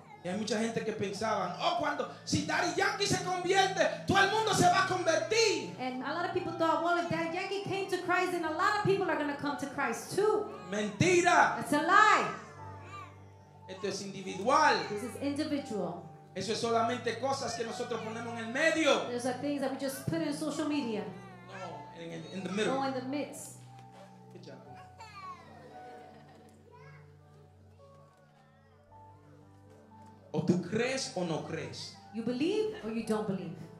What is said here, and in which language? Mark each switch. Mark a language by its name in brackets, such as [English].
[Spanish] Y hay mucha gente que pensaban, oh, cuando si Daddy Yankee se convierte, todo el mundo se va a convertir. [English] And a lot of people thought, well, if Daddy Yankee came to Christ, then a lot of people are going to come to Christ too. [Spanish] Mentira. [English] That's a lie. [Spanish] Esto es individual. [English] This is individual. [Spanish] Eso es solamente cosas que nosotros ponemos en el medio. [English] Those are things that we just put in social media. No, in the middle. No, in the midst. Good job. [Spanish] O tú crees o no crees. [English] You believe or you don't believe.